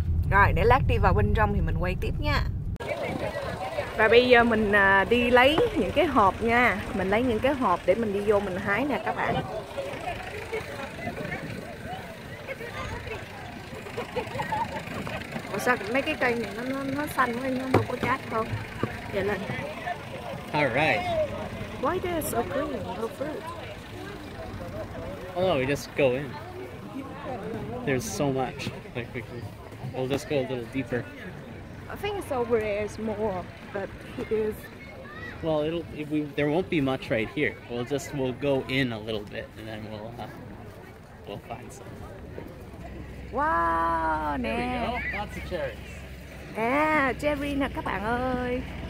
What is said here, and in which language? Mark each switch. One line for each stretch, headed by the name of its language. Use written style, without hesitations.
Vietnamese: Rồi, để lát đi vào bên trong thì mình quay tiếp nha. Và bây giờ mình đi lấy những cái hộp nha. Mình lấy những cái hộp để mình đi vô mình hái nè các bạn. Ủa sao mấy cái cây này nó xanh quá, nó đâu có chát không? Để lên.
English: Alright. Why they are so green, no fruit? Oh no, we just go in. There's so much. Like we can, we'll just go a little deeper. I think it's over there is more, but it is. Well, there won't be much right here. We'll go in a little bit and then we'll find some. Wow, nè. There we go. Lots of cherries.
Vietnamese: Yeah, cherry nè các bạn ơi.